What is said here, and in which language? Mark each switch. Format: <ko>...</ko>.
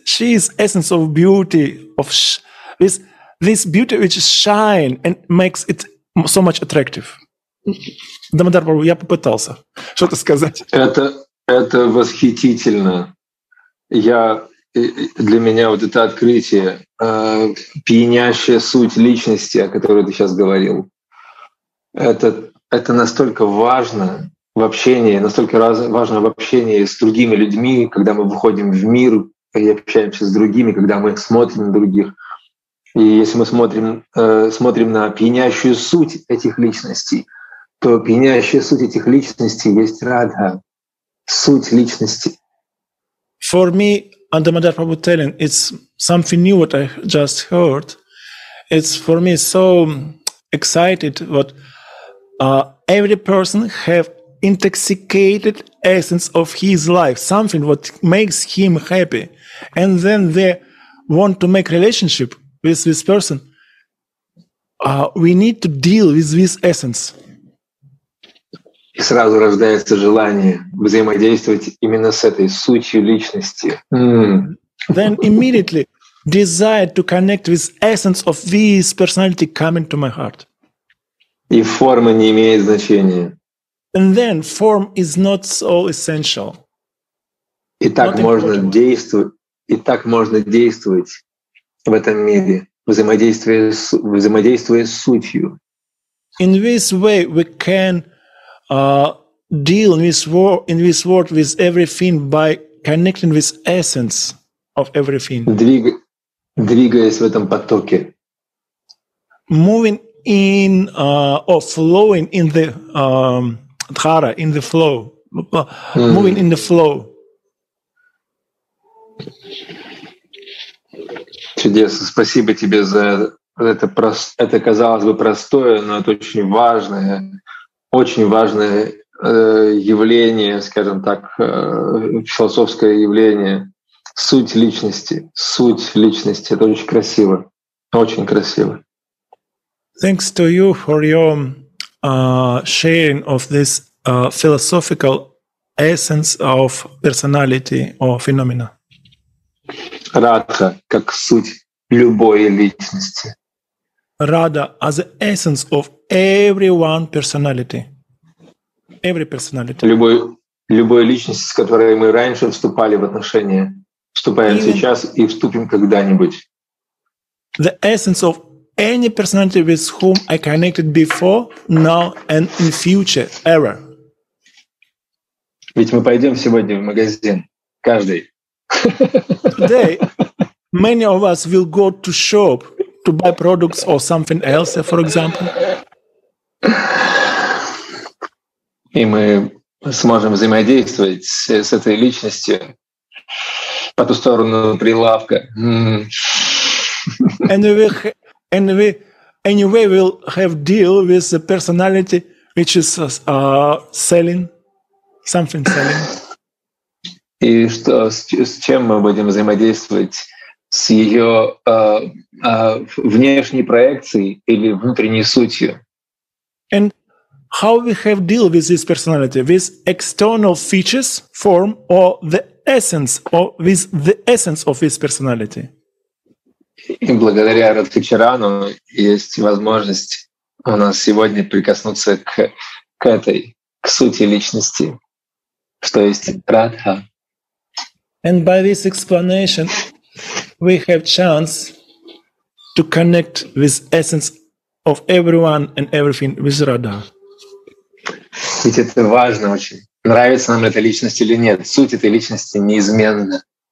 <en>She is essence of beauty, of this beauty which shine and makes it so much attractive.</en> <ru>Дамодар Прабху, я попытался что-то сказать. Это восхитительно. Для меня вот это открытие, пьянящая суть личности, о которой ты сейчас говорил, это настолько важно в общении, настолько важно в общении с другими людьми, когда мы выходим в мир и общаемся с другими, когда мы смотрим на других. И если мы смотрим на пьянящую суть этих личностей, то пьянящая суть этих личностей есть радха, суть личности.</ru> <en>For me, And Дамодар Прабху telling, it's something new what I just heard. It's for me so excited what every person have intoxicated essence of his life, something what makes him happy. And then they want to make relationship with this person. We need to deal with this essence.</en> <ru>И сразу рождается желание взаимодействовать именно с этой сутью личности.</ru> <en>Then immediately desire to connect with essence of this personality coming to my heart.</en> <ru>И форма не имеет значения.</ru> <en>And then form is not so essential.</en> <ru>И так можно действовать, и так можно действовать в этом мире, взаимодействуя с сутью.</ru> <en>In this way we can deal in this world with everything by connecting with essence of everything.</en> <ru>Двигаясь в этом потоке.</ru> <en>Moving in or flowing in the dhara, in the flow. Moving in the flow.</en> <ru>Чудесно. Спасибо тебе за это. Это казалось бы простое, но это очень важное. Очень важное явление, скажем так, философское явление. Суть личности. Суть личности. Это очень красиво. Очень красиво.</ru> <en>Thanks to you for your sharing of this philosophical essence of personality or phenomena.</en> <ru>Радха, как суть любой личности.</ru> <en>Radha as the essence of everyone personality. Every personality.</en> <ru>Любой личности, с которой мы раньше вступали в отношения, вступаем сейчас и вступим когда-нибудь.</ru> <en>The essence of any personality with whom I connected before, now and in future, ever.</en> <ru>Ведь мы пойдем сегодня в магазин, каждый.</ru> <en>Today, many of us will go to shop to buy products or something else, for example.</en> <ru>И мы сможем взаимодействовать с этой личностью по ту сторону прилавка.</ru> <en>And we will have deal with the personality which is selling something selling.</en> <ru>И что, с чем мы будем взаимодействовать с ее внешней проекцией или внутренней сутью.</ru> <en>And how we have deal with this personality, with external features, form, or the essence, or with the essence of this personality?</en> <ru>И благодаря Радхачарану есть возможность у нас сегодня прикоснуться к этой, к сути личности, что есть Радха.</ru> <en>And by this explanation, we have chance to connect with essence of everyone and everything with Radha.</en> <ru>Ведь это важно очень. Нравится нам эта личность или нет, суть этой личности неизменна.</ru>